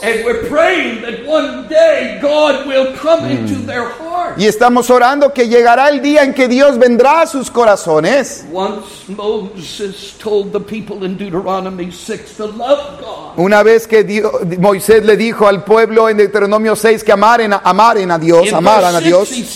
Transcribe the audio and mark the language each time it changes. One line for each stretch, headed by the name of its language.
English: And we're praying that one day God will come into their heart.
Spanish: Y estamos orando que llegará el día en que Dios vendrá a sus corazones.
English: Once Moses told the people in Deuteronomy 6 to love
Spanish: una vez que Moisés le dijo al pueblo en Deuteronomio 6 que amaran a Dios, amaran a Dios.